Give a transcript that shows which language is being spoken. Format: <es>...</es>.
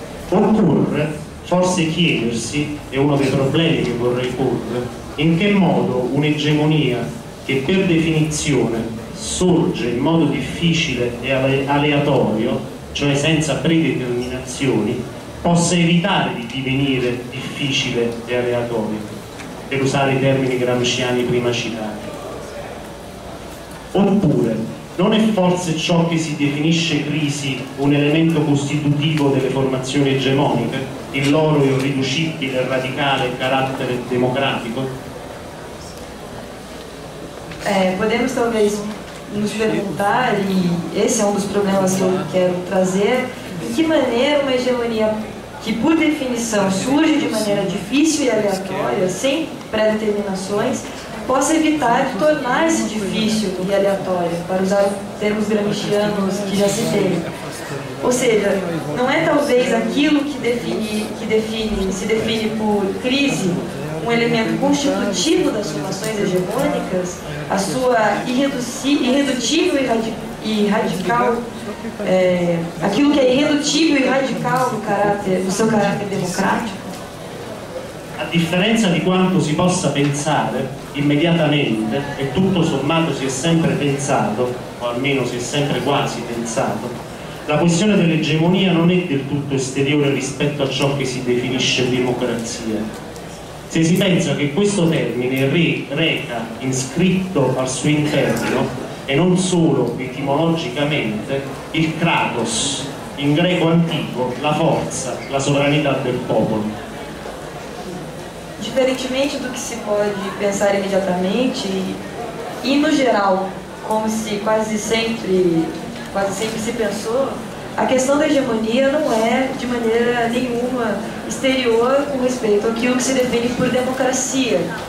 <it>Occorre forse chiedersi, è uno dei problemi che vorrei porre, in che modo un'egemonia che per definizione sorge in modo difficile e aleatorio, cioè senza predeterminazioni, possa evitare di divenire difficile e aleatorio, per usare i termini gramsciani prima citati. Oppure, non è forse ciò che si definisce crisi un elemento costitutivo delle formazioni egemoniche, il loro irriducibile e radicale carattere democratico?</it> <pt>Podemos talvez nos perguntar, e esse é um dos problemas que eu quero trazer, de que maneira uma hegemonia que, por definição, surge de maneira difícil e aleatória, sem pré-determinações, possa evitar tornar-se difícil e aleatória, para usar termos gramscianos que já citei. Ou seja, não é talvez aquilo que se define por crise um elemento constitutivo das formações hegemônicas, a sua irredutível e radical, aquilo que é irredutível e radical do seu caráter democrático?</pt> <it>A differenza di quanto si possa pensare immediatamente, e tutto sommato si è sempre pensato, o almeno si è sempre quasi pensato, la questione dell'egemonia non è del tutto esteriore rispetto a ciò che si definisce democrazia. Se si pensa che questo termine reca inscritto al suo interno, e non solo etimologicamente, il kratos, in greco antico, la forza, la sovranità del popolo.</it> <pt>Diferentemente do que se pode pensar imediatamente, e no geral, como se quase sempre se pensou, a questão da hegemonia não é de maneira nenhuma exterior com respeito àquilo que se define por democracia.</pt>